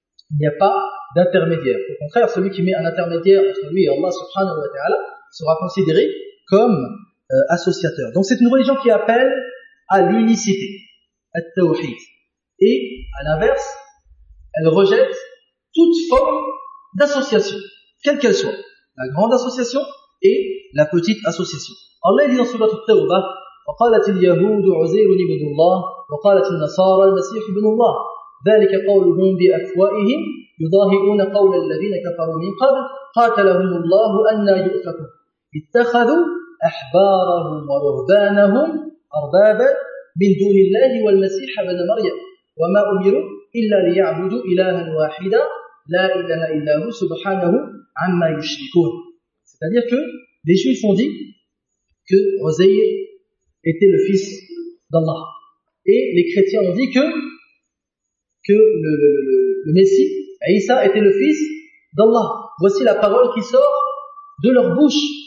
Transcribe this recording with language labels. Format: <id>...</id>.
<fr>Il n'y a pas d'intermédiaire. Au contraire, celui qui met un intermédiaire entre lui et Allah subhanahu wa ta'ala sera considéré comme associateur. Donc c'est une religion qui appelle à l'unicité, à tawhid. Et à l'inverse, elle rejette toute forme d'association, quelle qu'elle soit, la grande association et la petite association. Allah dit dans surat At-Tawbah,</fr> <ar>وقالت اليهود عزير ابن الله وقالت النصارى المسيح ابن الله ذلك قولهم بأفواههم يضاهئون قول الذين كفروا من قبل قاتلهم الله أنى يؤفكون اتخذوا أحبارهم ورهبانهم أربابا من دون الله والمسيح ابن مريم وما أمروا إلا ليعبدوا إلها واحدا لا إله إلا هو سبحانه عما يشركون.</ar> <fr>C'est-à-dire que les juifs ont dit que Uzayr était le fils d'Allah. Et les chrétiens ont dit que le Messie, Isa, était le fils d'Allah. Voici la parole qui sort de leur bouche.</fr>